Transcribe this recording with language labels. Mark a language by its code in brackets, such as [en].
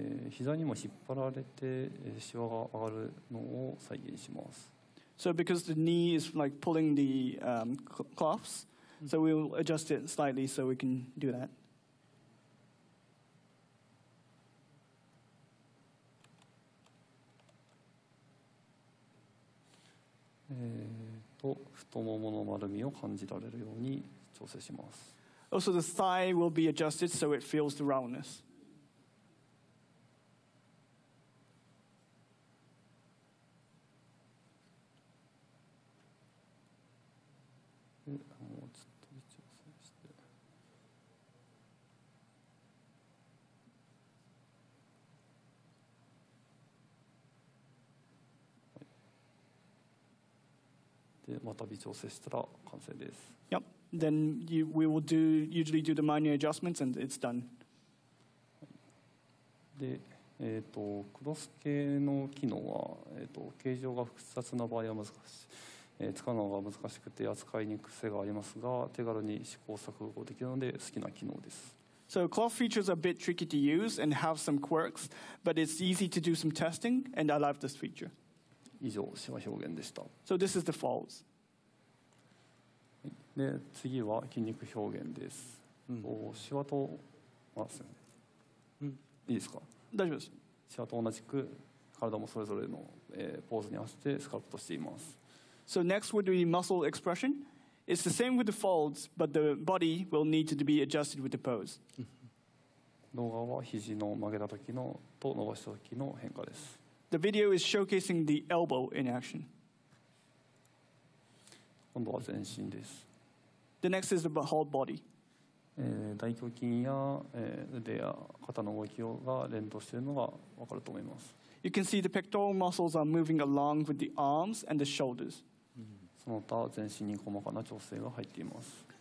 [ja] 膝にも引っ張られてシワが上がるのを再現します。 [en] So because the knee is like pulling the cloths, so we'll adjust it slightly so we can do that. [ja] 太ももの丸みを感じられるように調整します。 [en] Also the thigh will be adjusted so it feels the roundness. [ja] また微調整したら完成です。 [en] Yep. Then you, we will do, usually do the minor adjustments and it's done. [ja] で、クロス系の機能は、形状が複雑な場合は難しい。使うのが難しくて扱いにくい癖がありますが、手軽に試行錯誤できるので好きな機能です。 [en] So cloth features are a bit tricky to use and have some quirks, but it's easy to do some testing, and I love this feature. [ja] 以上、シワ表現でした。 [en] So this is the false. [ja] で、次は筋肉表現です。シワと、あ、すみません。いいですか？大丈夫です。シワと同じく、体もそれぞれの、ポーズに合わせてスカルプトしています。 [en] So next would be muscle expression. It's the same with the folds, but the body will need to be adjusted with the pose. [ja] 動画は肘の曲げた時のと伸ばした時の変化です。 [en] The video is showcasing the elbow in action. [ja] 今度は全身です。 [en] The next is the whole body. [ja] 大胸筋や腕や肩の動きが連動しているのが分かると思います。 [en] You can see the pectoral muscles are moving along with the arms and the shoulders. [ja] その他全身に細かな調整が入っています。